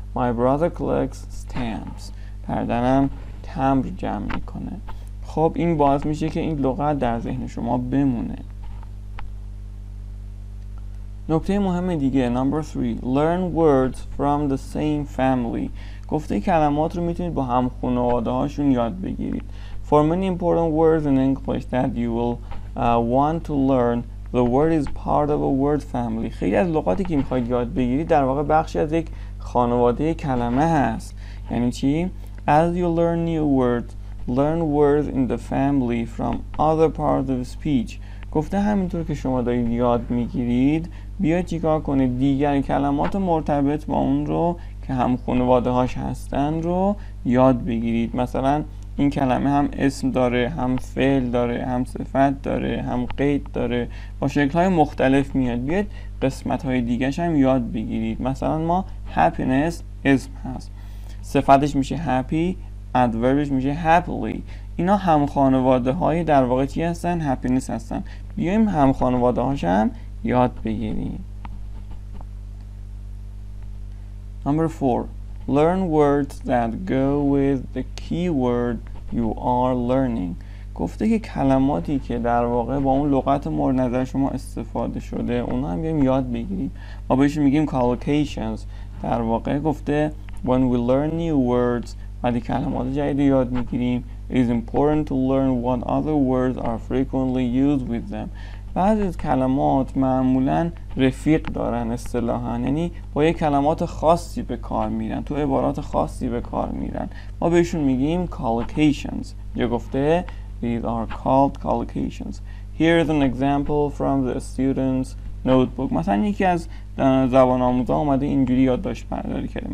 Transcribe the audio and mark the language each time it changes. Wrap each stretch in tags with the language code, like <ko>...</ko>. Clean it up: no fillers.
<en>My brother collects stamps.</en> <fa>پردنم تمبر جمع میکنه. خب این باعث میشه که این لغت در ذهن شما بمونه. نکته مهم دیگه</fa> <en>number 3 learn words from the same family.</en> <fa>گفته کلمات رو میتونید با هم خانواده هاشون یاد بگیرید.</fa> <en>For many important words in English that you will want to learn, the word is part of a word family.</en> <fa>خیلی از لغاتی که میخواید یاد بگیرید در واقع بخشی از یک خانواده کلمه هست. یعنی چی؟</fa> <en>As you learn new words, learn words in the family from other parts of speech.</en> <fa>گفته همینطور که شما دارید یاد میگیرید، بیاید چیکار کنید؟ دیگر کلمات مرتبط با اون رو که هم خانواده هاش هستن رو یاد بگیرید. مثلا این کلمه هم اسم داره، هم فعل داره، هم صفت داره، هم قید داره، با شکل‌های مختلف میاد. بیاید قسمت‌های دیگه‌ش هم یاد بگیرید. مثلا ما happiness اسم هست، صفتش میشه happy، adverbش میشه happily. اینا هم خانواده های در واقع چی هستن؟ happiness هستن. بیایم هم خانواده هاش هم یاد بگیریم.</fa> <en>Number 4. Learn words that go with the keyword you are learning.</en> <fa>گفته که کلماتی که در واقع با اون لغت مورد نظر شما استفاده شده اونا هم بیایم یاد بگیریم. ما بهش میگیم</fa> <en>collocations.</en> <fa>در واقع گفته</fa> <en>when we learn new words</en> <fa>وقتی کلمات جدید یاد میگیریم</fa> <en>it is important to learn what other words are frequently used with them.</en> <fa>بعضی از کلمات معمولاً رفیق دارن اصطلاحاً، یعنی با یه کلمات خاصی به کار میرن، تو عبارات خاصی به کار میرن. ما بهشون میگیم collocations. یه گفته</fa> <en>these are called collocations. Here is an example from the student's notebook.</en> <fa>مثلا یکی از زبان آموزا اومده اینجوری یاد داشت برداری کرده.</fa>